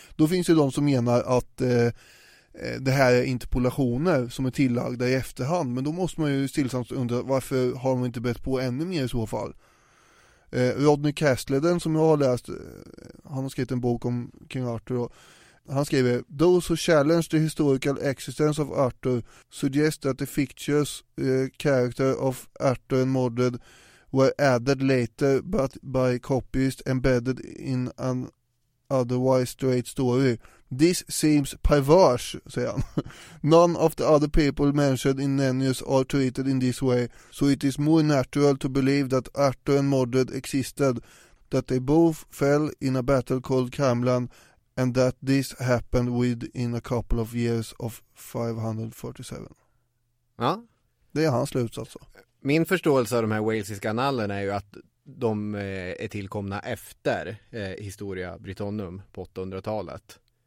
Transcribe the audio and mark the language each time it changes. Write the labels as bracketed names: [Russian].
[Swedish] Då finns det de som menar att det här är interpolationer som är tillagda i efterhand. Men då måste man ju stillsamt undra varför har de inte bett på ännu mer i så fall. Rodney Castleden som jag har läst, han har skrivit en bok om King Arthur. Och, Han skriver: [English] "Those who challenge the historical existence of Arthur suggest that the fictitious character of Arthur and Mordred were added later but by copyist embedded in an otherwise straight story. This seems perverse," [Swedish] säger han. [English] "None of the other people mentioned in Nennius are treated in this way, so it is more natural to believe that Arthur and Mordred existed, that they both fell in a battle called Camlann, and that this happened within a couple of years of 547. [Swedish] Ja. Det är hans slutsats alltså. Min förståelse av de här walesiska annalerna är ju att de är tillkomna efter Historia Britannum på 800-talet.